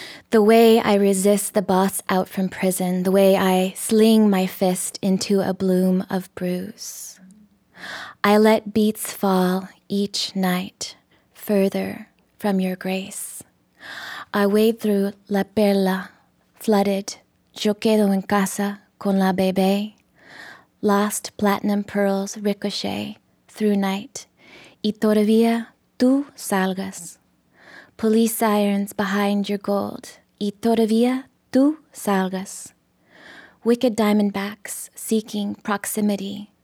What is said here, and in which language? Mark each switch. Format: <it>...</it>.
<en>The The way I resist the boss out from prison, the way I sling my fist into a bloom of bruise. I let beats fall each night, further from your grace. I wade through La Perla, flooded.</en> <es>Yo quedo en casa con la bebé.</es> <en>Lost platinum pearls ricochet through night. Y todavía tú salgas. Police sirens behind your gold. Y todavía tú salgas. Wicked diamondbacks seeking proximity.</en>